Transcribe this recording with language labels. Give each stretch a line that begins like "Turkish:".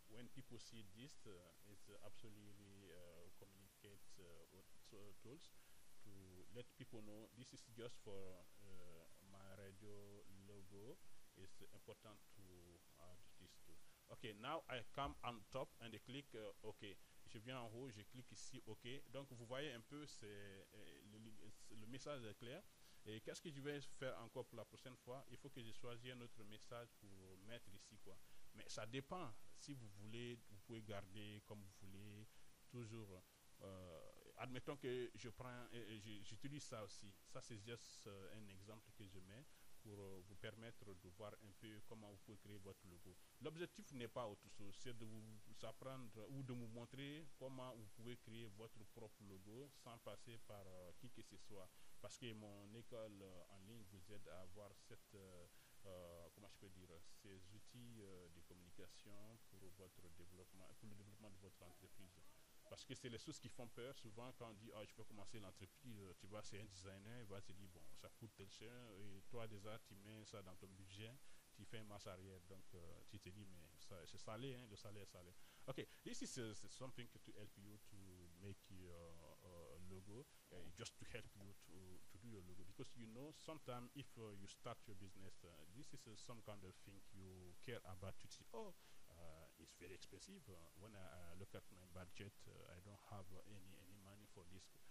English: When people see this, it's absolutely communicate tools to let people know this is just for my radio logo. It's important to add this too. Okay, now I come on top and I click OK.
French: Je viens en haut, je clique ici OK. Donc vous voyez un peu, c'est le message est clair. Et qu'est-ce que je vais faire encore pour la prochaine fois? Il faut que je choisisse un autre message pour mettre ici quoi. Mais ça dépend. Si vous voulez, vous pouvez garder comme vous voulez. Toujours. Admettons que je prends, j'utilise ça aussi. Ça c'est juste un exemple que je mets pour vous permettre de voir un peu comment vous pouvez créer votre logo. L'objectif n'est pas autre chose, c'est de vous apprendre ou de vous montrer comment vous pouvez créer votre propre logo sans passer par qui que ce soit. Parce que mon école en ligne vous aide à avoir cette, comment je peux dire, ces outils de communication pour votre développement, pour le développement de votre entreprise. Parce que c'est les choses qui font peur souvent quand on dit oh, je peux commencer l'entreprise, tu vois, c'est un designer, il va te dire bon, ça coûte tel cher, et toi déjà tu mets ça dans ton budget, tu fais une marche arrière, donc tu te dis mais ça, c'est salé, hein, le salaire est salé.
English: Ok, this is something to help you to make your logo, just to help you to do your logo. Because you know, sometimes if you start your business, this is some kind of thing you care about to see. Oh, it's very expensive. When I look at my budget, I don't have any money for this.